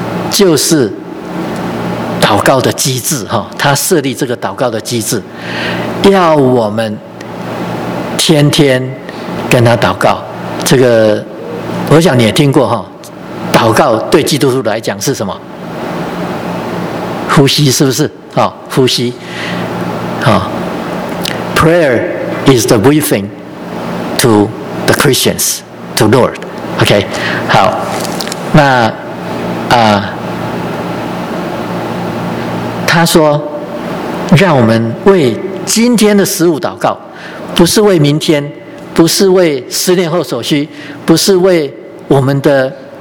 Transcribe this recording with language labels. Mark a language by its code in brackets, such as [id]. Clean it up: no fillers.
[zh] 就是祷告的机制，他设立这个祷告的机制，要我们天天跟他祷告。这个我想你也听过，祷祷告对基督徒来讲是什么？呼吸，是不是？哦，呼吸。 [en] 哦， Prayer is the breathing to the Christians, to Lord. [zh] OK, 好，那他说让我们为今天的食物祷告，不是为明天，不是为十年后所需，不是为我们的